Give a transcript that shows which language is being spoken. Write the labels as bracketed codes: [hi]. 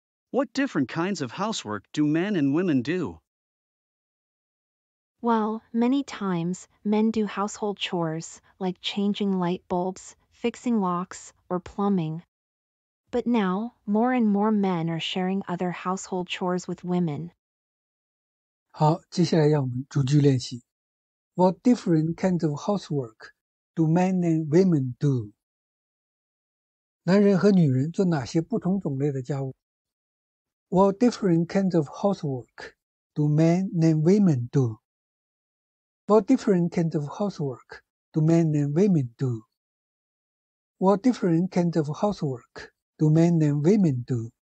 [en] What different kinds of housework do men and women do? Well, many times, men do household chores, like changing light bulbs, fixing locks, or plumbing. But now, more and more men are sharing other household chores with women. [zh] 好，接下来让我们逐句练习。 [en] What different kinds of housework do men and women do? [zh] 男人和女人做哪些不同种类的家务？ [en] What different kinds of housework do men and women do? What different kinds of housework do men and women do? What different kinds of housworkDo men and women do?